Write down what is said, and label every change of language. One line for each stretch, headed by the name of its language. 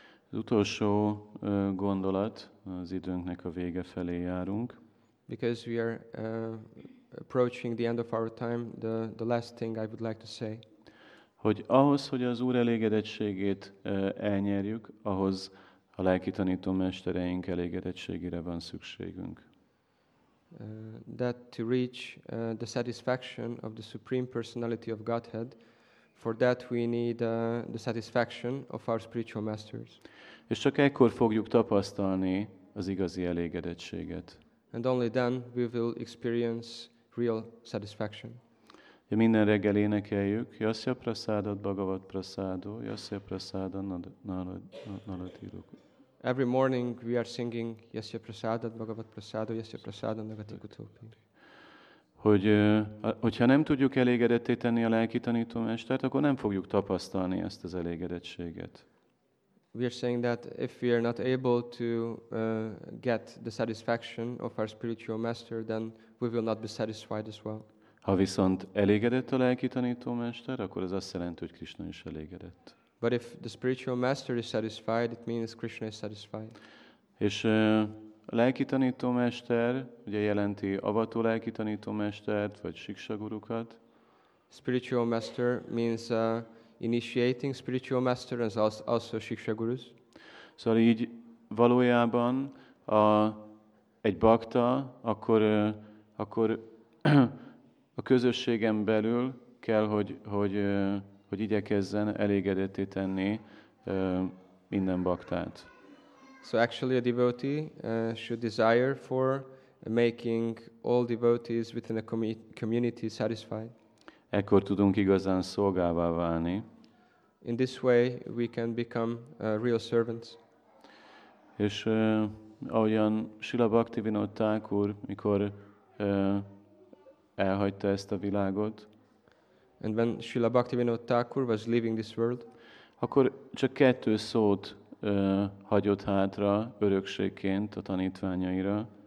Hungarian: Az utolsó gondolat, az időnknek a vége felé járunk.
English: Because we are approaching the end of our time, the last thing I would like to say.
Hungarian: Hogy ahhoz, hogy az Úr elégedettségét elnyerjük, ahhoz a lelki tanító mestereink elégedettségére van szükségünk.
English: That to reach the satisfaction of the Supreme Personality of Godhead, for that we need the satisfaction of our spiritual masters.
Hungarian: És csak ekkor fogjuk tapasztalni az igazi elégedettséget.
English: And only then we will experience real satisfaction.
Hungarian: Ja, minden reggel énekeljük,
Sanskrit: Yasya Prasadat Bhagavat Prasado, Yasya Prasadat Nalatiruk.
English: Every morning we are singing
Sanskrit: Yasya Prasadat Bhagavat Prasado, Yasya Prasadat Nalatirukutopi.
Hungarian: Hogyha nem tudjuk elégedetté tenni a lelki tanító mestert, akkor nem fogjuk tapasztalni ezt az elégedettséget.
English: We are saying that if we are not able to get the satisfaction of our spiritual master, then we will not be satisfied as well.
Hungarian: Ha viszont elégedett a lelki tanító mester, akkor ez azt jelenti, hogy Krishna is elégedett.
English: But if the spiritual master is satisfied, it means Krishna is satisfied.
Hungarian: És a lelki tanító mester, ugye jelenti avató lelki tanító mestert, vagy siksa gurukat.
English: Spiritual master means initiating spiritual master and also siksa gurus.
Hungarian: Szóval így valójában egy bakta, akkor a közösségen belül kell, hogy igyekezzen elégedetté tenni minden baktát.
English: So actually a devotee should desire for making all devotees within a community satisfied.
Hungarian: Ekkor tudunk igazán szolgává válni.
English: In this way we can become real servants.
Hungarian: És ahogyan Srila Bhaktivinoda Thakur, mikor elhagyta ezt a világot.
English: And when Srila Bhaktivinoda Thakur was leaving this world,
Hungarian: akkor csak kettő szót hagyott hátra örökségként a tanítványaira.